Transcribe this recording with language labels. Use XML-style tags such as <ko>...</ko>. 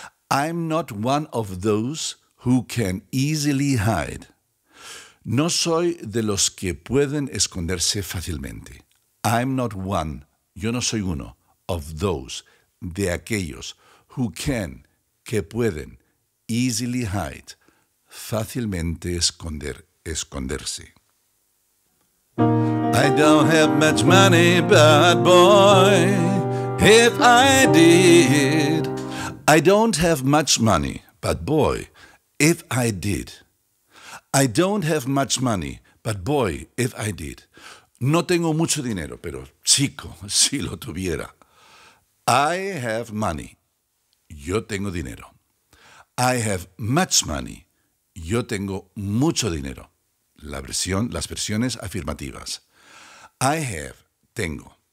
<en>I'm not one of those who can easily hide.</en> <es>No soy de los que pueden esconderse fácilmente.</es> <en>I'm not one,</en> <es>yo no soy uno,</es> <en>of those,</en> <es>de aquellos,</es> <en>who can,</en> <es>que pueden,</es> <en>easily hide,</en> <es>fácilmente esconder, esconderse.</es> <en>I don't have much money, bad boy. If I did. I don't have much money, but boy, if I did. I don't have much money, but boy, if I did.</en> <es>No tengo mucho dinero, pero chico, si lo tuviera.</es> <en>I have money.</en> <es>Yo tengo dinero.</es> <en>I have much money.</en> <es>Yo tengo mucho dinero. Las versiones afirmativas.</es> <en>I have,</en> <es>tengo.</es>